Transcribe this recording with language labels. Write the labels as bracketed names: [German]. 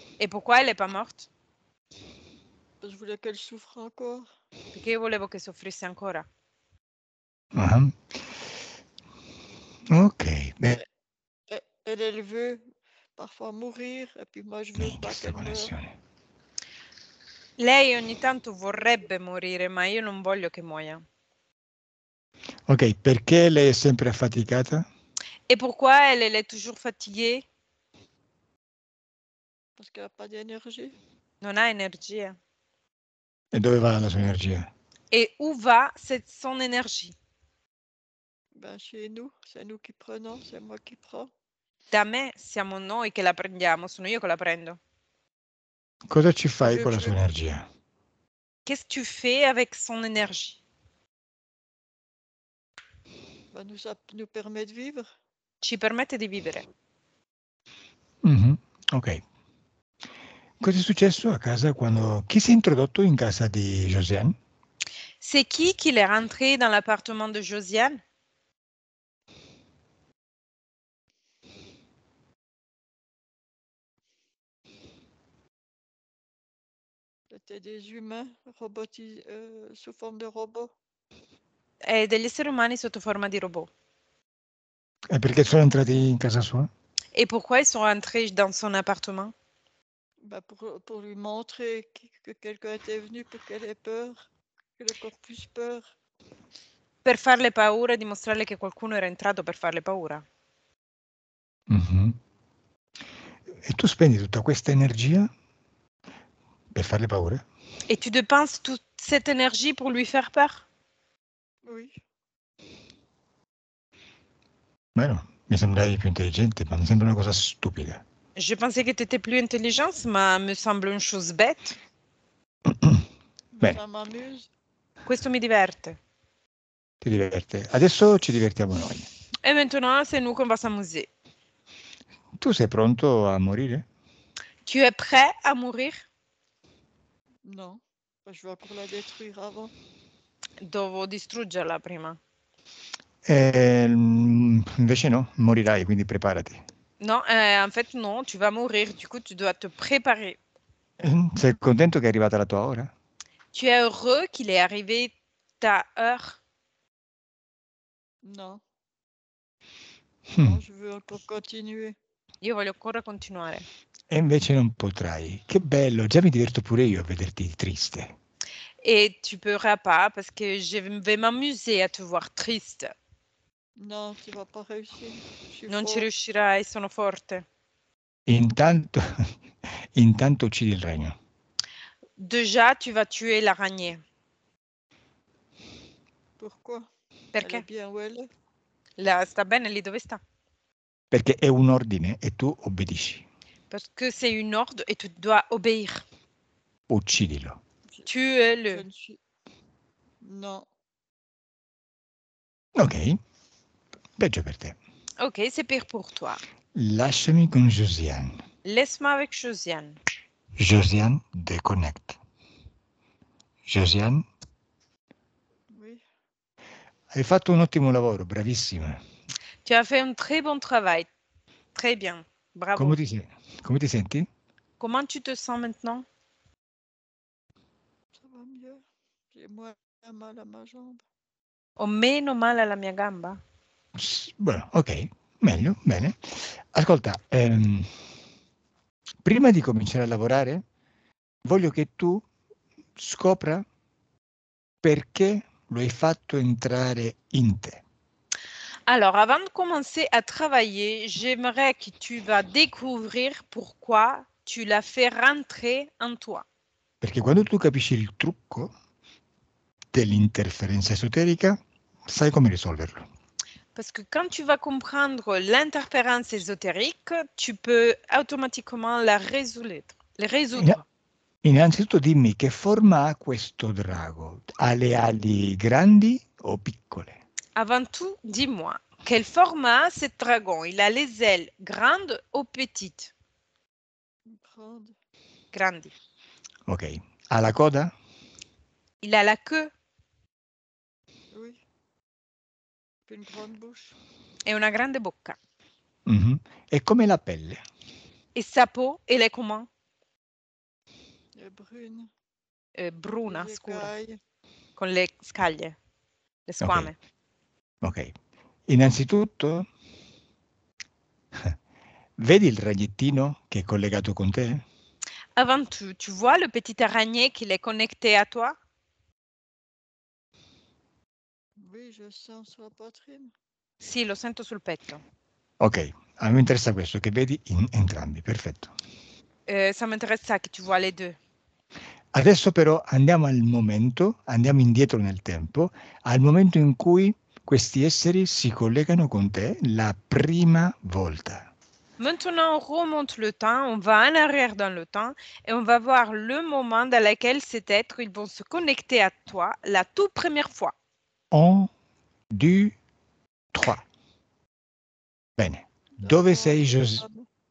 [French] E pourquoi elle n'est pas morte? Je voulais qu'elle souffre encore. [Italian] Perché io volevo che soffrisse ancora. Ok, beh. [French] Elle veut parfois mourir, et puis moi je veux pas [Italian] Questa [French] qu'elle meure. [Italian] connessione. Lei ogni tanto vorrebbe morire, ma io non voglio che muoia. Ok, perché lei è sempre affaticata? [French] E pourquoi elle est toujours fatiguée? Parce qu'elle n'a pas d'énergie. [Italian] Non ha energia. E dove va la sua energia? [French] E où va cette son énergie? Ben, chez nous, c'est nous qui prenons, c'est moi qui prends. [Italian] Da me siamo noi che la prendiamo, sono io che la prendo. Cosa ci [French] Au [Italian] fai [French] lieu [Italian] con que la [French] je [Italian] sua [French] le prenne. [Italian] energia? [French] Qu'est-ce que tu fais avec son énergie? Ben, nous permet de vivre. [Italian] Ci permette di vivere. Ok. Cosa è successo a casa quando... Chi si è introdotto in casa di Josiane? [French] C'est qui est rentré dans l'appartement de Josiane? C'était des humains robotisés sous forme de robots. [Italian] E degli esseri umani sotto forma di robot. E perché sono entrati in casa sua? [French] E pourquoi ils sont entrés dans son appartement? Bah pour lui montrer que quelqu'un était venu pour qu'elle ait peur, que le corps puisse peur. [Italian] Per farle paura, dimostrarle che qualcuno era entrato per farle paura. E tu spendi tutta questa energia per farle paura? [French] E tu dépenses toute cette énergie pour lui faire peur? Oui. [Italian] Bueno, mi sembravi più intelligente, ma mi sembra una cosa stupida. [French] Je pensais que tu étais plus intelligente, mais me semble une chose bête. [Italian] Bene. [French] Ça m'amuse. [Italian] Questo mi diverte. Ti diverte. Adesso ci divertiamo noi. [French] E maintenant, c'est nous qu'on va s'amuser. [Italian] Tu sei pronto a morire? [French] Tu es prêt à mourir? Non, je vais encore la détruire avant. [Italian] Devo distruggerla prima. Invece no, morirai, quindi preparati. [French] Non, en fait, non, tu vas mourir. Du coup, tu dois te préparer. [Italian] Sei contento che è arrivata la tua ora? [French] Tu es heureux qu'il est arrivé ta heure? Non. Non, je veux encore continuer. [Italian] Io voglio ancora continuare. E invece non potrai. Che bello, già mi diverto pure io a vederti triste. [French] Et tu pourras pas parce que je vais m'amuser à te voir triste. Non, tu vas pas réussir. Je suis [Italian] non ci [French] fort. [Italian] Riuscirai, sono forte. Intanto uccidi il regno. [French] Déjà, tu vas tuer l'araignée. Pourquoi? [Italian] Perché? [French] Elle est bien où elle est? [Italian] La, sta bene lì dove sta? Perché è un ordine e tu obbedisci. [French] Parce que c'est une ordre et tu dois obéir. [Italian] Uccidilo. [French] Tuez-le. Non. [Italian] Ok. Peggio per te. [French] Ok, c'est pire pour toi. [Italian] Lasciami con Josiane. [French] Laisse-moi avec Josiane. Josiane, déconnecte. Josiane. Oui. [Italian] Hai fatto un ottimo lavoro, bravissima. [French] Tu as fait un très bon travail. Très bien. Bravo. [Italian] Come ti senti? [French] Comment tu te sens maintenant? Ça va mieux. J'ai moins mal à ma jambe. [Italian] Ho meno male alla mia gamba. Bueno, ok, meglio, bene. Ascolta, prima di cominciare a lavorare, voglio che tu scopra perché lo hai fatto entrare in te. [French] Alors, avant de commencer à travailler, j'aimerais que tu vas découvrir pourquoi tu l'as fait rentrer en toi. [Italian] Perché quando tu capisci il trucco dell'interferenza esoterica, sai come risolverlo. [French] Parce que quand tu vas comprendre l'interférence ésotérique, tu peux automatiquement la résoudre. [Italian] Innanzitutto dimmi che forma ha questo drago? Ha le ali grandi o piccole? [French] Avant tout, dis-moi, quel format a ce dragon? Il a les ailes grandes ou petites? Grande. [Italian] Grandi. Ok, ha la coda? [French] Il a la queue. Oui. Une grande bouche. [Italian] Et una grande bocca. E come la pelle? [French] Et sa peau, elle est comment? Brune. [Italian] Bruna, [French] Les [Italian] scura. [French] écailles. [Italian] Con le scaglie, le squame. Ok. Ok, innanzitutto vedi il ragnettino che è collegato con te? [French] Avant tout, tu vois le petit araignée qui est connecté à toi? Oui, je sens sulla poitrine. [Italian] Sì, lo sento sul petto. Ok, a me interessa questo, che vedi entrambi, perfetto. [French] Ça m'intéresse ça, que tu vois les deux. [Italian] Adesso però andiamo al momento, andiamo indietro nel tempo, al momento in cui questi esseri si collegano con te la prima volta. [French] Maintenant, on remonte le temps, on va en arrière dans le temps et on va voir le moment dans lequel cet être, ils vont se connecter à toi la toute première fois. [Italian] 1, 2, 3. Bene. Dove [French] D'accord. [Italian] sei, Josiane?